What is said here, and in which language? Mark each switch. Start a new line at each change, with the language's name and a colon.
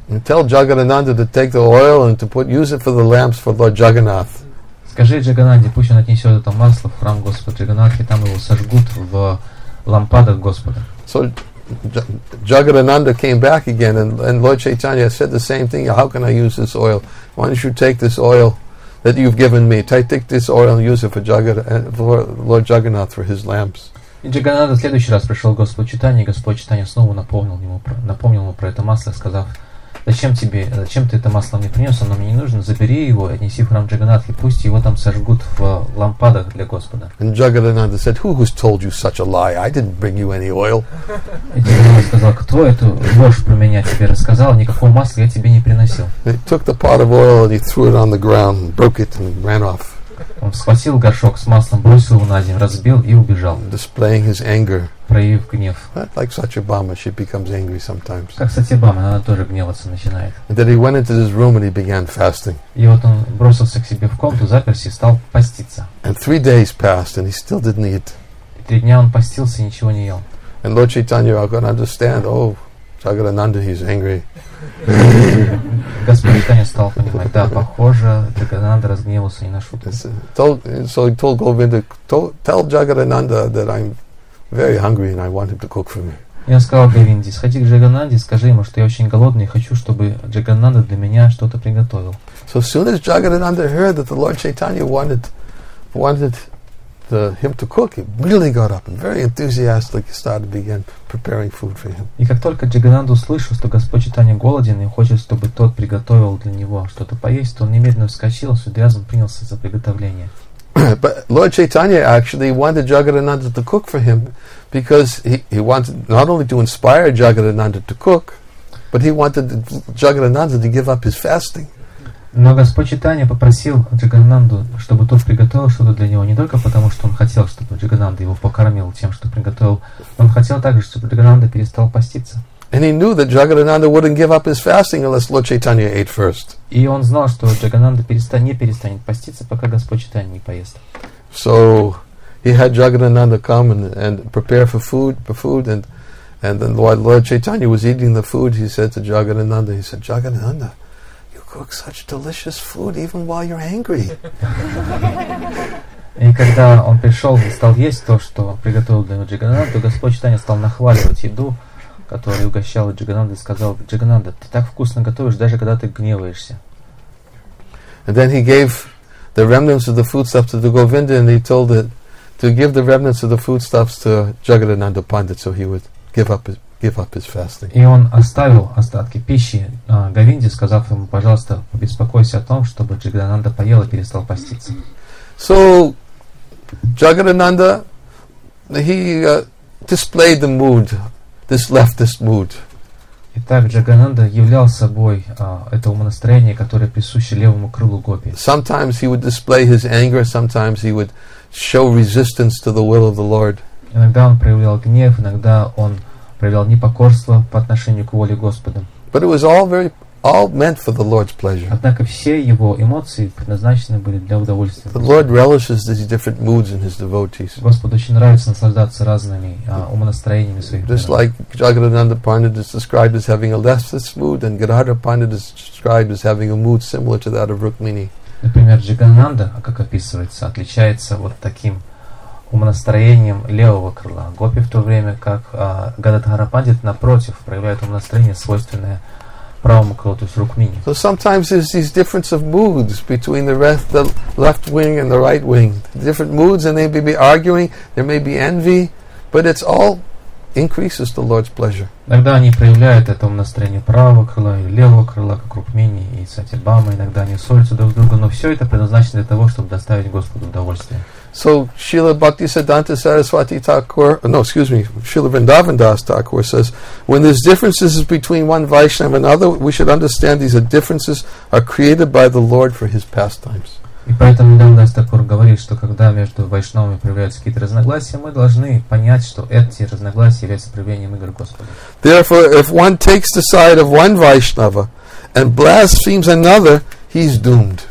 English: And tell Jagannanda to take the oil and to put use it for the lamps for Lord Jagannath.
Russian: Скажи Джагананде, пусть он отнесет это масло в храм Господа Джагананды, там его сожгут в лампадах Господа.
English: So Jagannanda came back again, and Lord Chaitanya said the same thing. How can I use this oil? Why don't you take this oil that you've given me? Take this oil and use it for Lord Jagannath for his lamps.
Russian: И Джагананда в следующий раз пришел к Господу Чайтанье, и Господь Чайтанье снова напомнил ему про это масло, сказав: зачем ты это масло мне принес? Оно мне не нужно. Забери его, отнеси в храм Джагганнатхи, пусть его там сожгут в лампадах для Господа.
English: And Jagannanda said, who has told you such a lie? I didn't bring you any oil.
Russian: И Джагганнатхи сказал, кто эту ложь про меня тебе рассказал? Никакого масла я тебе не приносил.
English: He took the pot of oil and he threw it on the ground, and broke it and ran off.
Russian: Он схватил горшок с маслом, бросил его на землю, разбил и убежал.
English: Displaying his anger.
Russian: Проявив гнев.
English: Like Satyabhama, she becomes angry sometimes.
Russian: Как Сатьябама, она тоже гневаться начинает.
English: And then he went into his room and he began fasting.
Russian: И вот он бросился к себе в комнату, заперся и стал поститься.
English: And 3 days passed and he still didn't eat.
Russian: 3 дня он постился и ничего не ел.
English: And Lord Chaitanya, I can understand. Oh, Jagannanda, he's angry.
Russian: Господь Чайтанья стал понимать, да, похоже, Джагананда разгневался не на шутку.
English: So he told Govinda, tell Jagannanda that I'm very hungry and I want him to cook for me.
Russian: Я сказал Говинде, сходи к Джагананде, скажи ему, что я очень голодный и хочу, чтобы Джагананда для меня что-то приготовил.
English: So soon as Jagannanda heard that the Lord Chaitanya wanted him to cook, he really got up and very enthusiastically began preparing food for him.
Russian: И как только Джагананда услышал, что Господь Чайтанья голоден и хочет, чтобы тот приготовил для него что-то поесть, то он немедленно вскочил и с энтузиазмом принялся за приготовление.
English: But Lord Chaitanya actually wanted Jagannanda to cook for him because he wanted not only to inspire Jagannanda to cook, but he wanted Jagannanda to give up his fasting.
Russian: Но Господь Чайтанья попросил Джагананду, чтобы тот приготовил что-то для него, не только потому, что он хотел, чтобы Джагананда его покормил тем, что приготовил, но он хотел также, чтобы Джагананда перестал поститься.
English: And he knew that Jagannanda wouldn't give up his fasting unless Lord Chaitanya ate first.
Russian: И он знал, что Джагананда не перестанет поститься, пока Господь Чайтанья не поест.
English: So he had Jagannanda come and prepare for food, and then while Lord Chaitanya was eating the food, he said to Jagannanda, Jagannanda, cook such delicious food even while you're angry.
Russian: И когда он пришел и стал есть то, что приготовил для него Джагананда, то Господь Чайтанья стал нахваливать еду, которую угощал Джагананда, и сказал, Джагананда, ты так вкусно готовишь, даже когда ты гневаешься.
English: And then he gave the remnants of the foodstuffs to the Govinda, and he told it to give the remnants of the foodstuffs to Jagannanda Pandit, so he would give up his fasting.
Russian: И он оставил остатки пищи Говинде, сказав ему, пожалуйста, побеспокойся о том, чтобы Джагананда поел и перестал поститься.
English: So Jagannanda, displayed the mood, this leftist mood.
Russian: Итак, Джагананда являл собой это умонастроение, которое присуще левому крылу Гопи.
English: Sometimes he would display his anger, sometimes he would show resistance to the will of the Lord.
Russian: Иногда он проявлял гнев, иногда он проявлял непокорство по отношению к воле Господа.
English: But it was all very all meant for the Lord's pleasure.
Russian: Однако все его эмоции предназначены были для удовольствия.
English: The Lord relishes these different moods in his devotees.
Russian: Господь очень нравится наслаждаться разными умонастроениями своих.
English: Just like Jagannatha Pandit is described as having a lesser mood, and Gadadhara Pandit is described as having a mood similar to that of Rukmini.
Russian: Например, Джагананда, как описывается, отличается вот таким умонастроением левого крыла гопи, в то время как Гададхара Пандит, напротив, проявляет умонастроение, свойственное правому крылу, то есть Рукмини.
English: So sometimes there's these difference of moods between the left wing and the right wing. Different moods, and they may be arguing, there may be envy, but it's all increases the Lord's pleasure.
Russian: Иногда они проявляют это умонастроение правого крыла и левого крыла, как Рукмини и Сатибама. Иногда они ссорятся друг с другом, но все это предназначено для того, чтобы доставить Господу удовольствие.
English: So Srila Bhaktisiddhanta Saraswati Thakur, no, excuse me, Srila Vrindavan Das Thakur says, when there's differences between one Vaishnava and another, we should understand these differences are created by the Lord for his pastimes.
Russian: И поэтому Vrindavan Das Thakur говорит, что когда между Вайшнавами проявляются какие-то разногласия, мы должны понять, что эти разногласия являются проявлением игры Господа.
English: Therefore, if one takes the side of one Vaishnava and blasphemes another, he's doomed.